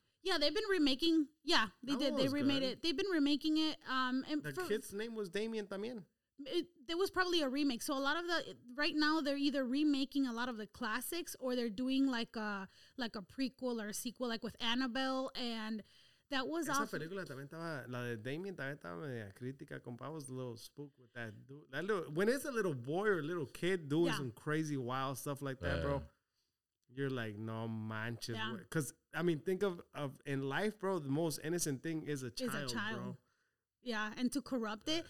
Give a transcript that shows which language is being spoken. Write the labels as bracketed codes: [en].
[en] Yeah, they've been remaking. Yeah, they did. They remade it. They've been remaking it. And the kid's name was Damien también. There was probably a remake. So a lot of right now they're either remaking a lot of the classics or they're doing like a prequel or a sequel, like with Annabelle and. That was [es] esa [en] awesome. [es] Película también estaba, la de Damien también estaba media crítica, compa. [en] I was a little spooked with that dude. That little, when it's a little boy or a little kid doing some crazy wild stuff like that, bro, you're like, [es] no manches. [en] Because, I mean, think of in life, bro, the most innocent thing is a child, bro. Yeah, and to corrupt it.